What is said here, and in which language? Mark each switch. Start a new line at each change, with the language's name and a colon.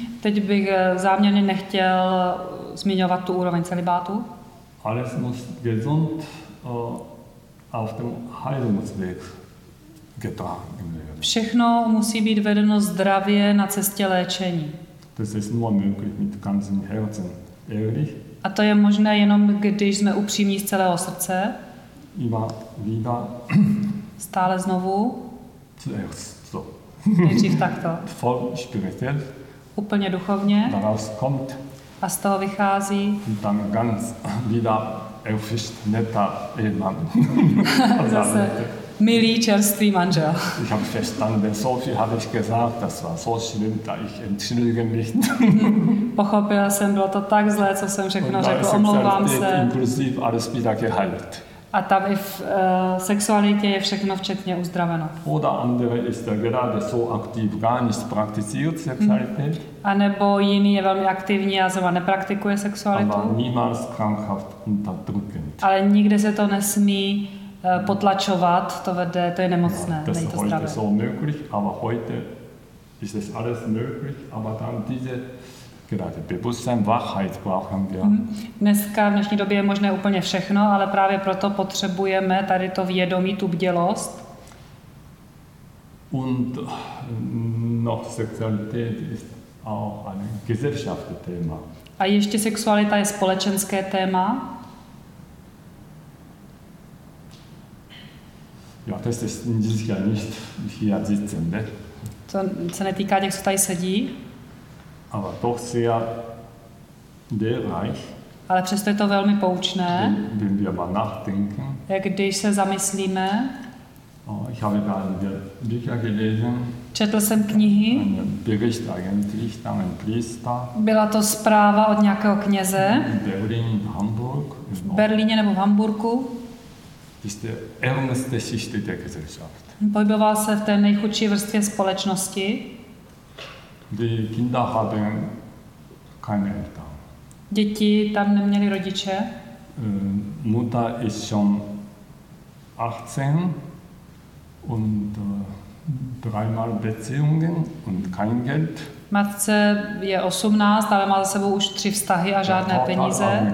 Czech: Teď bych záměrně nechtěl zmiňovat tu úroveň celibátu.
German: Alles muss gesund auf dem Heilungsweg getragen werden.
Czech: Všechno musí být vedeno zdravě na cestě léčení.
German: Das ist nur möglich mit ganzem Herzen, ehrlich.
Czech: A to je možné jenom, když jsme upřímní z celého srdce. Iba výba. Stále znovu.
German: Zuerst so.
Czech: Nejdřív takto.
German: Voll spirituell.
Czech: Úplně duchovně.
German: Daraus kommt.
Czech: A z toho vychází.
German: Dann ganz wieder erfrischt netter Ehemann.
Czech: Zase milý čerstvý manžel.
German: Ich habe verstanden, so viel habe ich gesagt, das war so schlimm, da ich entschuldige mich.
Czech: Pochopila jsem, bylo to tak zlé, co jsem všechno řekl, omlouvám se.
German: Inklusiv alles wieder geheilt.
Czech: A tam i v sexualitě je všechno včetně uzdraveno.
German: Oder andere ist er gerade so aktiv, gar nicht praktiziert sexualität.
Czech: A nebo jiný je velmi aktivní a zrovna nepraktikuje sexualitu.
German: Aber niemals krankhaft unterdrückend.
Czech: Ale nikde se to nesmí potlačovat, to vede, to je nemocné, ja, není to zdravé.
German: Das ist heute so möglich, aber heute ist es alles möglich, aber dann diese gerade bewusstsein, wachheit brauchen wir.
Czech: Dneska v dnešní době je možné úplně všechno, ale právě proto potřebujeme tady to vědomí, tu bdělost.
German: Und noch Sexualität ist auch ein gesellschaftliches Thema.
Czech: A ještě sexualita je společenské téma.
German: Ja, das ist sicher nicht hier sitzen, ne?
Czech: To se netýká těch, co tady sedí.
German: Aber doch sehr lehrreich.
Czech: Ale přesto je to velmi poučné.
German: Wenn wir mal nachdenken.
Czech: Jak když se zamyslíme.
German: Ich habe gerade Bücher gelesen.
Czech: Četl jsem knihy.
German: Bericht eigentlich, dann ein Priester.
Czech: Byla to zpráva od nějakého kněze.
German: Berlin, Hamburg.
Czech: V Berlíně nebo v Hamburku.
German: Ist der ärmste Schicht der Gesellschaft.
Czech: Pohyboval se v té nejchudší vrstvě společnosti.
German: Die Kinder haben keine Eltern.
Czech: Děti tam neměli rodiče.
German: Mutter ist schon 18 und dreimal Beziehungen und kein Geld.
Czech: Matce je 18, ale má za sebou už tři vztahy a žádné peníze.